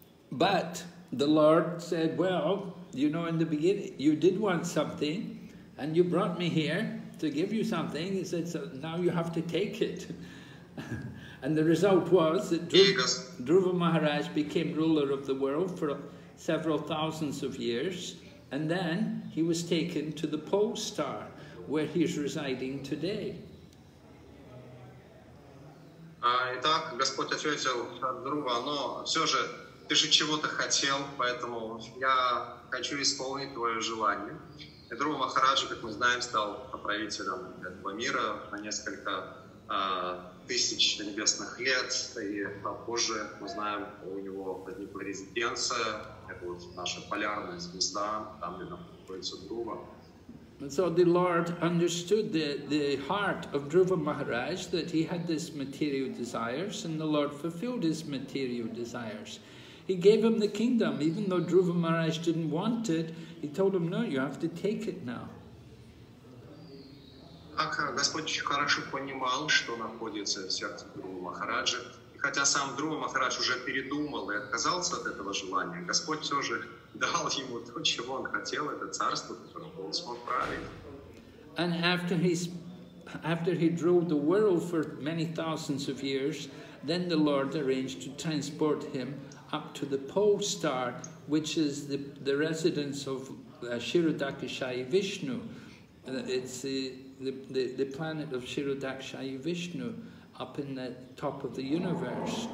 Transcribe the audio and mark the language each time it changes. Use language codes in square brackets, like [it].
[en] But the Lord said, well, you know, in the beginning, you did want something, and you brought me here to give you something. He said, so now you have to take it. And the result was that Dhruva Maharaj became ruler of the world for several thousands of years, and then he was taken to the pole star, where he's residing today. [ru] Итак, Господь ответил Друва, но все же, ты же чего-то хотел, поэтому я хочу исполнить твое желание. И Друва Махараджа, как мы знаем, стал правителем этого мира на несколько тысяч небесных лет. И позже, мы знаем, у него возникла резиденция. Это вот наша полярная звезда, там, где находится Друва. [en] So the Lord understood the heart of Dhruva Maharaj, that he had this material desires, and the Lord fulfilled his material desires. He gave him the kingdom, even though Dhruva Maharaj didn't want it. He told him, no, you have to take it now. [ru] Так Господь очень хорошо понимал, что находится в сердце Друва Махараджа. И хотя сам Друва Махарадж уже передумал и отказался от этого желания, Господь все же дал ему то, чего он хотел, это царство, которое он смог править. [en] And after he drove the world for many thousands of years, then the Lord arranged to transport him up to the pole star, which is the residence of Shirodakshayi Vishnu. It's the planet of Shirodakshayi Vishnu up in the top of the universe.